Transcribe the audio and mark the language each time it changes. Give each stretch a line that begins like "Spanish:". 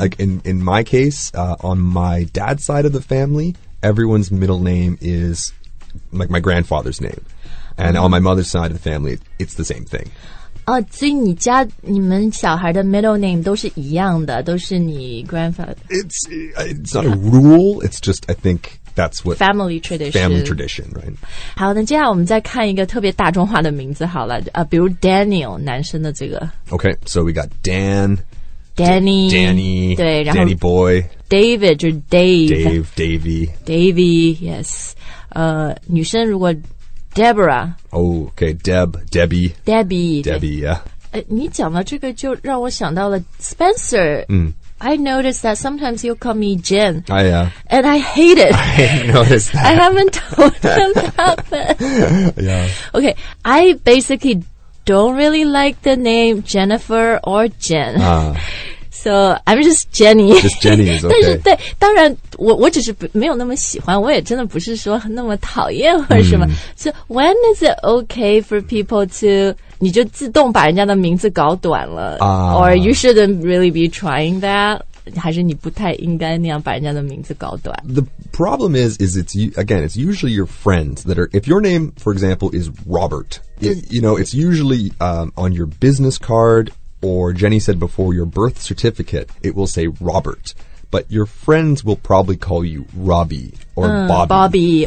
English: In my case,、on my dad's side of the family, everyone's middle name is like my grandfather's name. And、mm. on my mother's side of the family, it's the same thing.
Chinese: 所以你家你们小孩的 middle name 都是一样的都是你 grandfather
English: it's not a rule it's just I think that's what family tradition right
Chinese: 好那接下来我们再看一个特别大众化的名字好了、比如 Daniel 男生的这个
English: okay so we got Dan Danny Danny
Chinese: 对然后
English: Danny boy
Chinese: David 就是 Dave
English: Davey
Chinese: yes 女生如果Deborah.
English: Oh, okay. Deb. Debbie. Debbie. Debbie, yeah.
Chinese: 你讲到这个就让我想到了 Spencer. Mm.
English: I noticed that sometimes you'll call me Jen. Oh, yeah. And I hate it. I noticed that. I haven't told him that. But yeah. Okay. I basically don't really like the name Jennifer or Jen. So I'm just Jenny. Just Jenny is okay.
Chinese: 但是对，当然我只是没有那么喜欢，我也真的不是说那么讨厌或者什么。
English: So when is it okay for people to
Chinese: 你就自动把人家的名字搞短了
English: or you shouldn't really be trying that?
Chinese: 还是你不太应该那样把人家的名字搞短？
English: The problem is it's again, it's usually your friends that are, if your name, for example, is Robert, you know, it's usually on your business card. Or Jenny said before, your birth certificate, it will say Robert. But your friends will probably call you Robbie or Bobby.